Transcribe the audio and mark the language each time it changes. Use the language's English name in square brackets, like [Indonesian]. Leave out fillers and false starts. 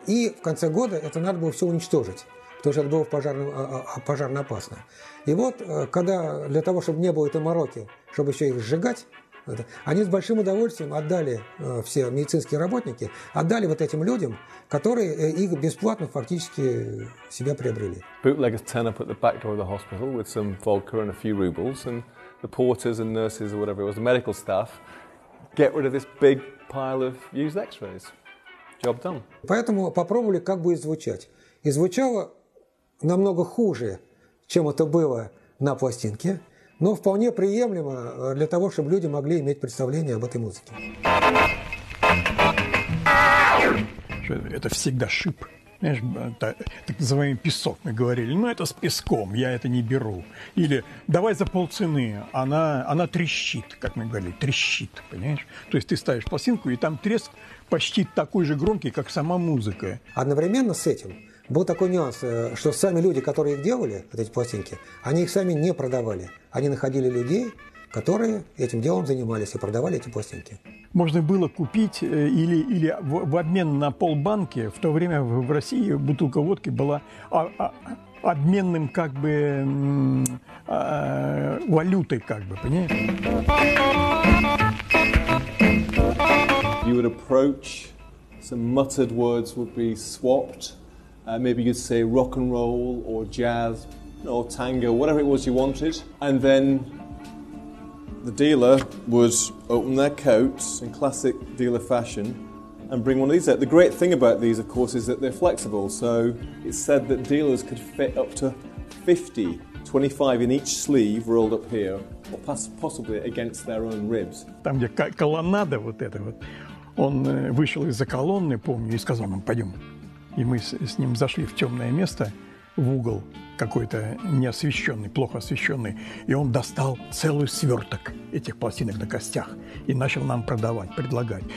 [Russian] И в конце года это надо было все уничтожить, потому что это было пожарно опасно. И вот, когда для того, чтобы не было этой мороки, чтобы еще их сжигать, это, они с большим удовольствием отдали, все медицинские работники, отдали вот этим людям, которые их бесплатно фактически себя приобрели. [English] Bootleggers turn up at the back door of the hospital with some vodka and a few rubles, and the porters and nurses or whatever it was, the medical staff, get rid of this big pile of used x-rays. Job done. [Russian] Поэтому попробовали, как будет звучать. И звучало намного хуже, чем это было на пластинке, но вполне приемлемо для того, чтобы люди могли иметь представление об этой музыке. Это всегда шип. Знаешь, так называемый песок, мы говорили. Ну, это с песком, я это не беру. Или давай за полцены, она трещит, как мы говорили, трещит, понимаешь? То есть ты ставишь пластинку, и там треск почти такой же громкий, как сама музыка. Одновременно с этим был такой нюанс, что сами люди, которые их делали, вот эти пластинки, они их сами не продавали. Они находили людей, которые этим делом занимались и продавали эти пластинки. Можно было купить или в обмен на полбанки, в то время в России бутылка водки была обменным как бы валютой, как бы, понимаешь? [English] You would approach, some muttered words would be swapped. Maybe you'd say rock and roll or jazz or tango, whatever it was you wanted, and then the dealer would open their coat in classic dealer fashion and bring one of these out. The great thing about these, of course, is that they're flexible. So it's said that dealers could fit up to 50, 25 in each sleeve rolled up here, or possibly against their own ribs. [Russian] Там где колоннада вот эта вот, он вышел из-за колонны, помню, и сказал нам, пойдем. И мы с ним зашли в темное место, в угол какой-то неосвещенный, плохо освещенный. И он достал целый сверток этих пластинок на костях и начал нам продавать, предлагать.